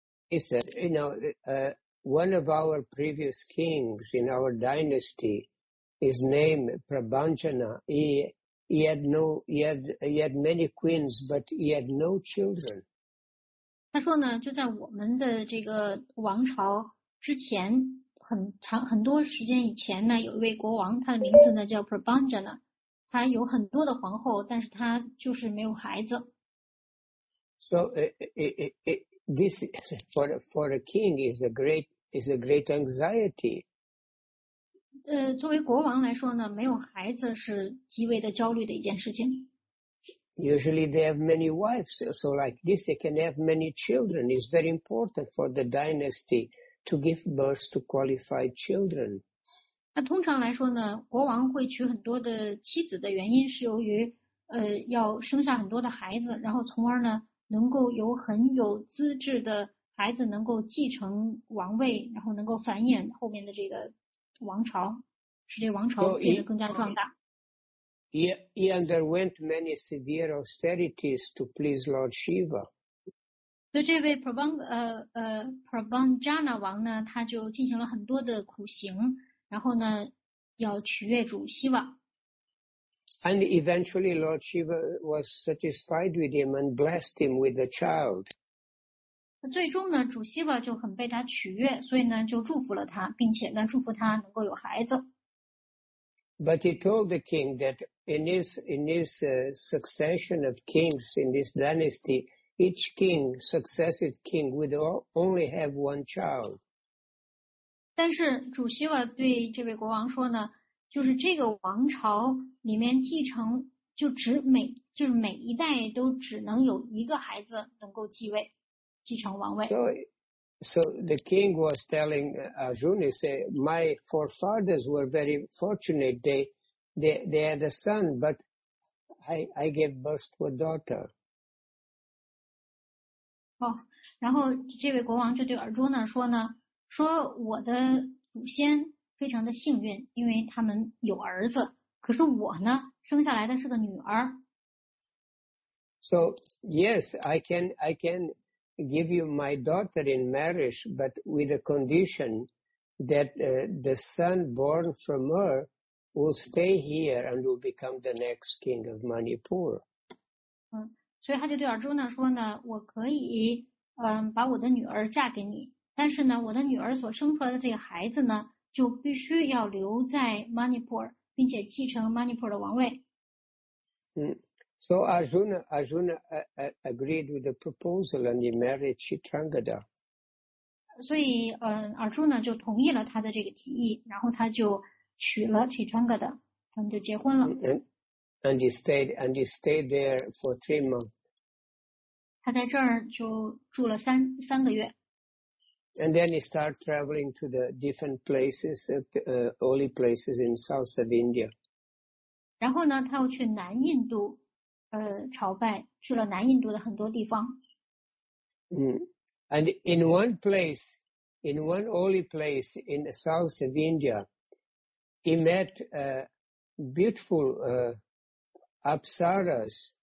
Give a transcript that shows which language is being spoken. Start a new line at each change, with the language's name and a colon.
English: He said, "You know, one of our previous kings in our dynasty, his name Prabhanjana, he had many queens, but he had no children."
Chinese: 他说呢，就在我们的这个王朝之前，很多时间以前呢，有一位国王，他的名字呢叫 Prabhanjana， 他有很多的皇后，但是他就是没有孩子。
English: So this for a king is a great anxiety.
Chinese: 作为国王来说呢，没有孩子是极为的焦虑的一件事情。
English: Usually they have many wives, so like this, they can have many children. It's very important for the dynasty to give birth to qualified children.
Chinese: 那通常来说呢，国王会娶很多的妻子的原因是由于要生下很多的孩子，然后从而呢能够有很有资质的孩子能够继承王位，然后能够繁衍后面的这个王朝，使这王朝变得更加壮大。
English: He underwent many severe austerities to please Lord Shiva.
Chinese: 所以这位 Prabhanjana 王呢，他就进行了很多的苦行，然后呢，要取悦主希望。
English: And eventually Lord Shiva was satisfied with him and blessed him with a child.
Chinese: 最终呢，主希望就很被他取悦，所以呢，就祝福了他，并且呢，祝福他能够有孩子。
English: But he told the king that in his succession of kings in this dynasty, each king, successive king, would only have one child.
Chinese: 但是主希望对这位国王说呢，就是这个王朝里面继承就是每一代都只能有一个孩子能够继位，继承王位。
English: So the king was telling Arjuna, say, "My forefathers were very fortunate. They had a son, but I gave birth to a daughter."
Chinese: 然后这位国王就对 Arjuna 说呢，说我的祖先非常的幸运，因为他们有儿子，可是我呢，生下来的是个女儿。
English: So yes, I can give you my daughter in marriage, but with a condition that the son born from her will stay here and will become the next king of Manipur."
Chinese: 所以他就对 Arjuna 说呢，我可以把我的女儿嫁给你，但是呢，我的女儿所生出来的这个孩子呢，就必须要留在 Manipur， 并且继承 Manipur 的王位。
English: So Arjuna agreed with the proposal and he married Chitrangada.
Chinese: 所以Arjuna 就同意了他的这个提议，然后他就娶了 Chitrangada， 他们就结婚了。
English: And, And he stayed there for 3 months.
Chinese: 他在这儿就住了三个月。
English: And then he started traveling to the different places, holy places in south of India.
Chinese: 然后呢，他又去南印度，朝拜，去了南印度的很多地方。
English: And in one place, in one holy place in the south of India, he met beautiful apsaras.